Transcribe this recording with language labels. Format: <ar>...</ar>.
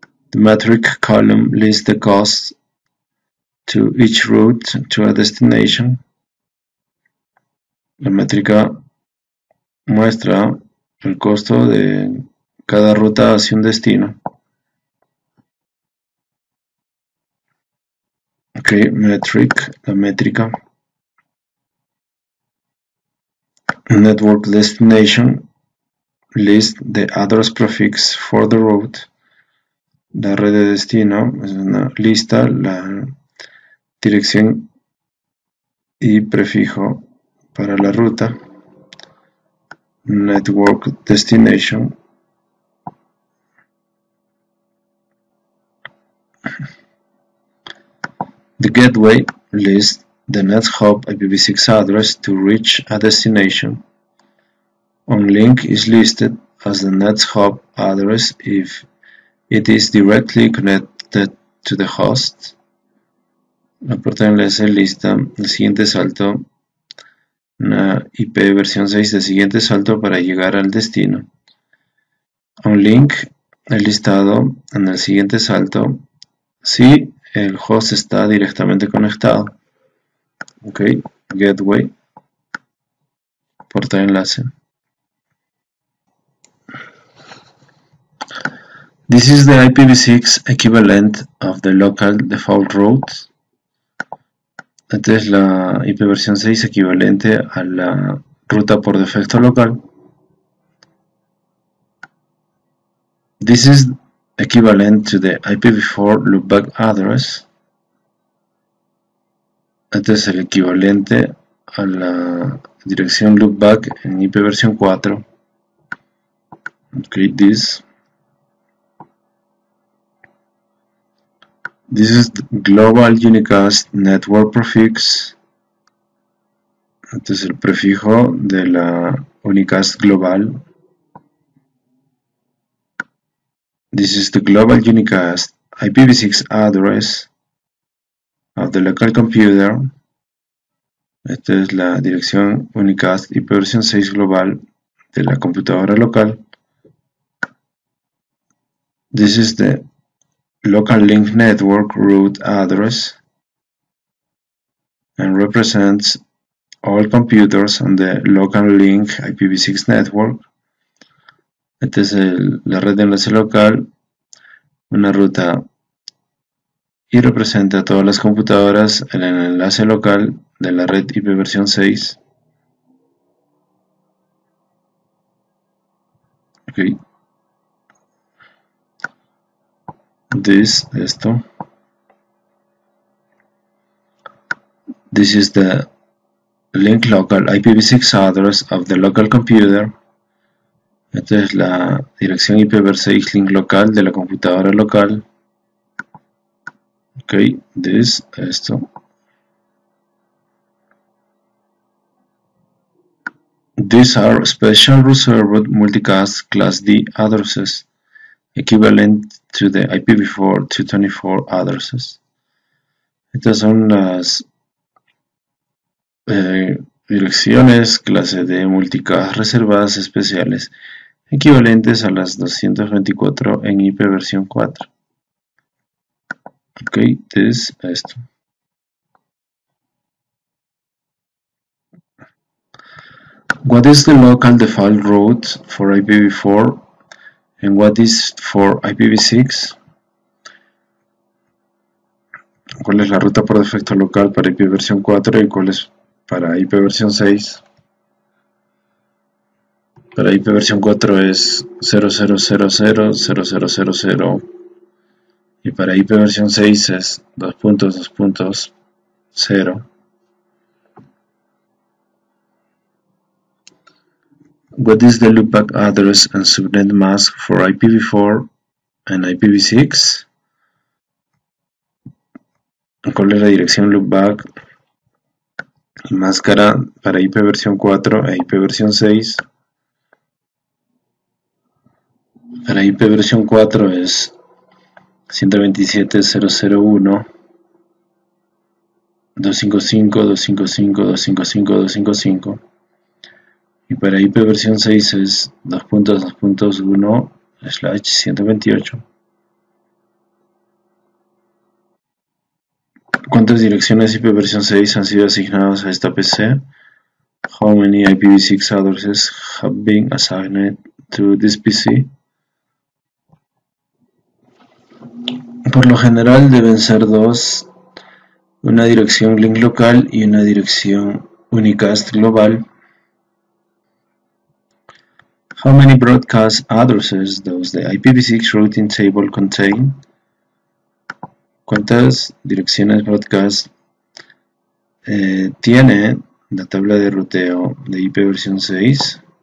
<en>The metric column lists the cost to each route to a destination.</en> <es>La métrica muestra el costo de cada ruta hacia un destino. Ok, métrica.</es> <en>Network destination list the address prefix for the route.</en> <es>La red de destino es una lista, la dirección y prefijo para la ruta.</es> <en>Network destination. The gateway lists the NetHop IPv6 address to reach a destination. OnLink is listed as the NetHop address if it is directly connected to the host.</en> <es>La puerta de enlace lista el siguiente salto. Una IP versión 6 de siguiente salto para llegar al destino. OnLink, el listado en el siguiente salto, si el host está directamente conectado. Ok, gateway, puerta de enlace.</es> <en>This is the IPv6 equivalent of the local default route.</en> <es>Esta es la IP versión 6 equivalente a la ruta por defecto local.</es> <en>This is equivalent to the IPv4 loopback address.</en> <es>Este es el equivalente a la dirección loopback en IP versión 4.</es> <en>Create this. This is Global Unicast Network Prefix.</en> <es>Este es el prefijo de la Unicast Global.</es> <en>This is the Global Unicast IPv6 address of the local computer.</en> <es>Esta es la dirección Unicast IP versión 6 global de la computadora local.</es> <en>This is the Local Link Network Root Address and represents all computers on the Local Link IPv6 Network.</en> <es>Esta es la red de enlace local, una ruta y representa a todas las computadoras en el enlace local de la red IP versión 6. Okay. Esto.</es> <en>This is the link local IPv6 address of the local computer.</en> <es>Esta es la dirección IPv6 link local de la computadora local. Okay, esto.</es> <en>These are special reserved multicast class D addresses, equivalent to the IPv4 224 addresses.</en> <es>Estas son las direcciones clase D multicast reservadas especiales, equivalentes a las 224 en IP versión 4. Okay, esto.</es> <en>What is the local default route for IPv4 and what is for IPv6?</en> <es>¿Cuál es la ruta por defecto local para IP versión 4 y cuál es para IP versión 6? Para IP versión 4 es 0000000. Y para IP versión 6 es 2.2.0.</es> <en>What is the loopback address and subnet mask for IPv4 and IPv6?</en> <es>¿Cuál es la dirección loopback y máscara para IP versión 4 e IP versión 6? Para IP versión 4 es 127.0.0.1, 255, 255, 255, 255. Y para IP versión 6 es 2.2.1 slash 128. ¿Cuántas direcciones IP versión 6 han sido asignadas a esta PC?</es> <en>How many IPv6 addresses have been assigned to this PC?</en> <es>Por lo general deben ser dos, una dirección link local y una dirección unicast global.</es> <en>How many broadcast addresses does the IPv6 routing table contain?</en> <es>¿Cuántas direcciones broadcast tiene la tabla de ruteo de IP versión 6?</es>